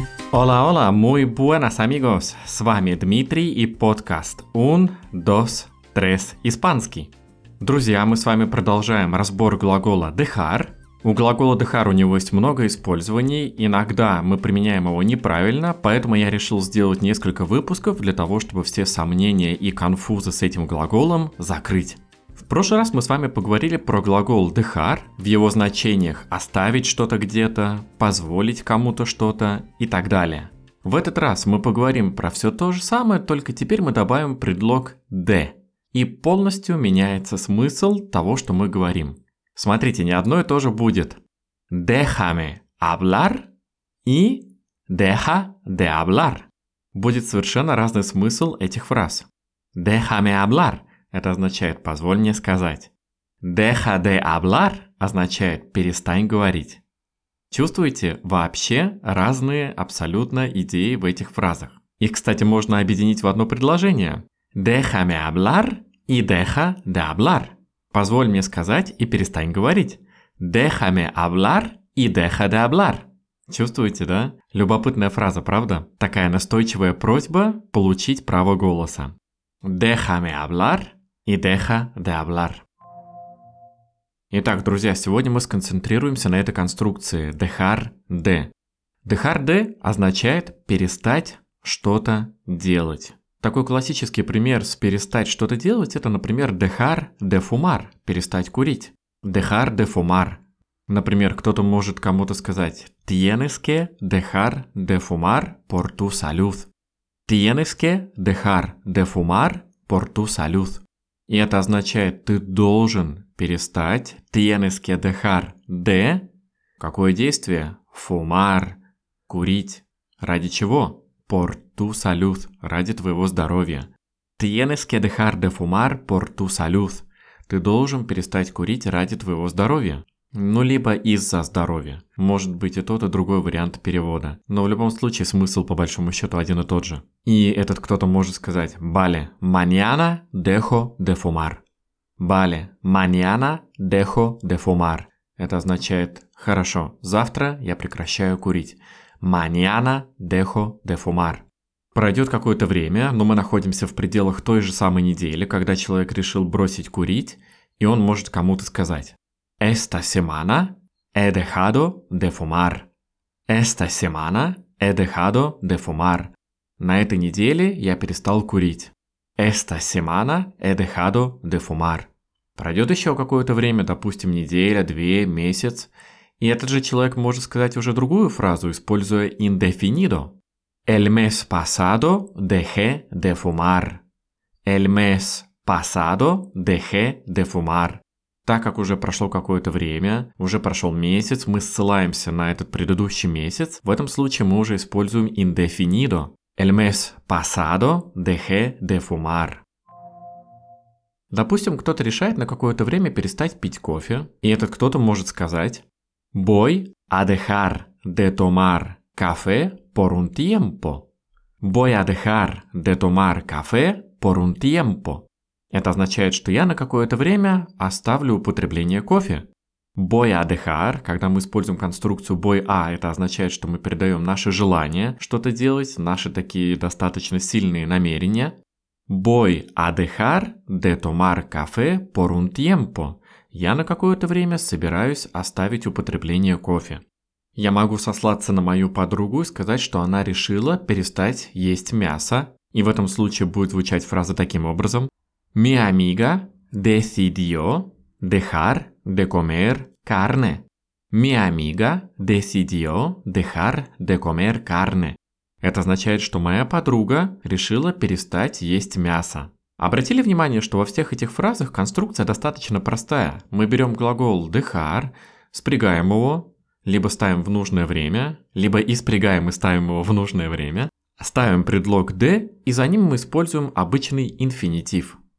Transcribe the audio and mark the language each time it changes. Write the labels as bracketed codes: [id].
[es] Hola, hola, muy buenas amigos. [ru] С вами Дмитрий и подкаст Un, Dos, Tres испанский. Друзья, мы с вами продолжаем разбор глагола dejar. У глагола dejar у него есть много использований. Иногда мы применяем его неправильно, поэтому я решил сделать несколько выпусков для того, чтобы все сомнения и конфузы с этим глаголом закрыть. В прошлый раз мы с вами поговорили про глагол dejar в его значениях оставить что-то где-то, позволить кому-то что-то и так далее. В этот раз мы поговорим про все то же самое, только теперь мы добавим предлог de. И полностью меняется смысл того, что мы говорим. Смотрите, не одно и то же будет. [es] Déjame hablar и deja de hablar. [ru] Будет совершенно разный смысл этих фраз. [es] Déjame hablar. [ru] Это означает «позволь мне сказать». [es] «Deja de hablar» [ru] означает «перестань говорить». Чувствуете, вообще разные абсолютно идеи в этих фразах. Их, кстати, можно объединить в одно предложение. [es] «Deja me hablar» и «deja de hablar». [ru] «Позволь мне сказать» и «перестань говорить». [es] «Deja me hablar» и «deja de hablar». [ru] Чувствуете, да? Любопытная фраза, правда? Такая настойчивая просьба получить право голоса. [es] Déjame hablar y deja de hablar. [ru] Итак, друзья, сегодня мы сконцентрируемся на этой конструкции dejar de. Dejar de означает перестать что-то делать. Такой классический пример с перестать что-то делать – это, например, [es] dejar de fumar [ru] – перестать курить. [es] Dejar de fumar. [ru] Например, кто-то может кому-то сказать [es] «Tienes que dejar de fumar por tu salud». Tienes que dejar de fumar por tu salud. [ru] И это означает, ты должен перестать. [es] Tienes que dejar de... [ru] Какое действие? [es] Fumar. [ru] Курить. Ради чего? [es] Por tu salud. [ru] Ради твоего здоровья. [es] Tienes que dejar de fumar por tu salud. [ru] Ты должен перестать курить ради твоего здоровья. Ну, либо из-за здоровья. Может быть и тот, и другой вариант перевода. Но в любом случае смысл по большому счету один и тот же. И этот кто-то может сказать [es] «Vale, mañana dejo de fumar». «Vale, mañana dejo de fumar». [ru] Это означает «Хорошо, завтра я прекращаю курить». [es] «Mañana dejo de fumar». [ru] Пройдет какое-то время, но мы находимся в пределах той же самой недели, когда человек решил бросить курить, и он может кому-то сказать [es] Esta semana he dejado de fumar. Esta semana he dejado de fumar. [ru] На этой неделе я перестал курить. [es] Esta semana he dejado de fumar. [ru] Пройдет еще какое-то время, допустим, неделя, две, месяц, и этот же человек может сказать уже другую фразу, используя indefinido. [es] El mes pasado dejé de fumar. El mes pasado dejé de fumar. [ru] Так как уже прошло какое-то время, уже прошел месяц, мы ссылаемся на этот предыдущий месяц, в этом случае мы уже используем indefinido. [es] El mes pasado dejé de fumar. [ru] Допустим, кто-то решает на какое-то время перестать пить кофе, и этот кто-то может сказать [es] Voy a dejar de tomar café por un tiempo. Voy a dejar de tomar café por un tiempo. [ru] Это означает, что я на какое-то время оставлю употребление кофе. [es] Voy a dejar, [ru] когда мы используем конструкцию voy a, это означает, что мы передаем наше желание что-то делать, наши такие достаточно сильные намерения. [es] Voy a dejar de tomar café por un tiempo. [ru] Я на какое-то время собираюсь оставить употребление кофе. Я могу сослаться на мою подругу и сказать, что она решила перестать есть мясо. И в этом случае будет звучать фраза таким образом. [es] Mi amiga decidió dejar de comer carne. Mi amiga decidió dejar de comer carne. [ru] Это означает, что моя подруга решила перестать есть мясо. Обратили внимание, что во всех этих фразах конструкция достаточно простая. Мы берем глагол dejar, спрягаем его, либо ставим в нужное время, либо испрягаем и ставим его в нужное время, ставим предлог de, и за ним мы используем обычный инфинитив.